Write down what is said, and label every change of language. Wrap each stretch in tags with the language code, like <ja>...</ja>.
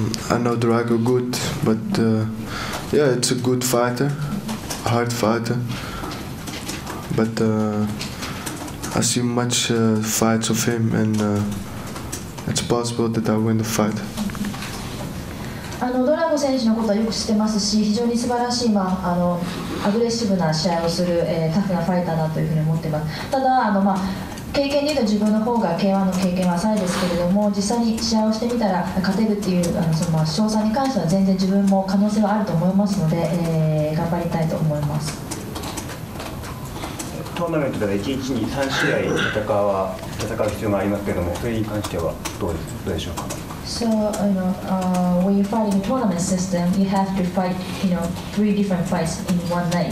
<en>I know Drago good, but yeah, it's a good fighter, hard fighter. But I see much fights of him, and it's possible that I win the fight.</en> <ja>ドラゴ選手のことはよく知ってますし、非常に素晴らしい、まあ、アグレッシブな試合をする、タフなファイターだというふうに思ってます。ただ、まあ経験で言うと自分の方が K-1 の経験は浅いですけれども、実際に試合をしてみたら勝てるっていう、その、まあ、勝算に関しては全然自分も可能性はあると思いますので、頑張りたいと思います。トーナメントでは1日に3試合戦う必要がありますけれども、それに関してはどうでしょうか。</ja> <en>So, when you fight in the tournament system, you have to fight, you know, three different fights in one night.</en>